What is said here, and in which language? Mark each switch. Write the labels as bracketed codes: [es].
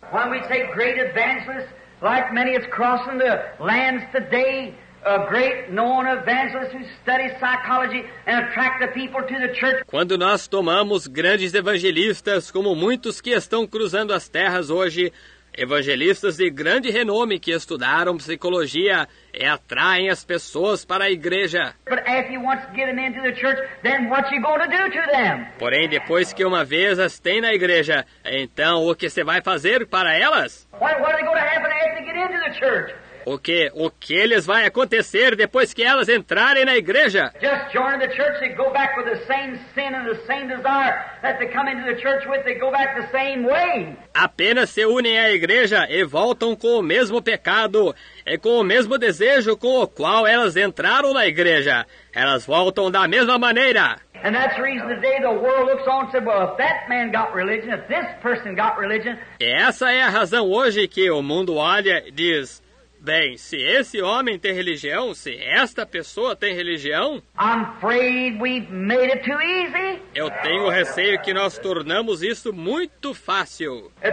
[pt] Quando nós tomamos grandes evangelistas, como muitos cruzam as terras hoje, [en] a great known evangelist who studies psychology and attract the people to the church. [pt] Quando nós tomamos grandes evangelistas, como muitos que estão cruzando as terras hoje, evangelistas de grande renome que estudaram psicologia e atraem as pessoas para a igreja. [en] But if you want to get them into the church, then what you going to do to them? [pt] Porém, depois que uma vez as tem na igreja, então o que você vai fazer para elas? [en] What are going to happen after they get into the church? [pt] O que lhes vai acontecer depois que elas entrarem na igreja? [en] Just join the church, they go back with the same sin and the same desire that they come into the church with, they go back the same way. [pt] Apenas se unem à igreja e voltam com o mesmo pecado e com o mesmo desejo com o qual elas entraram na igreja. Elas voltam da mesma maneira. [en] And that's the reason today the world looks on and says, well, if that man got religion, if this person got religion. [pt] E essa é a razão hoje que o mundo olha e diz, bem, se esse homem tem religião, se esta pessoa tem religião, [en] I'm afraid we've made it too easy. [pt] Eu tenho receio que nós tornamos isso muito fácil.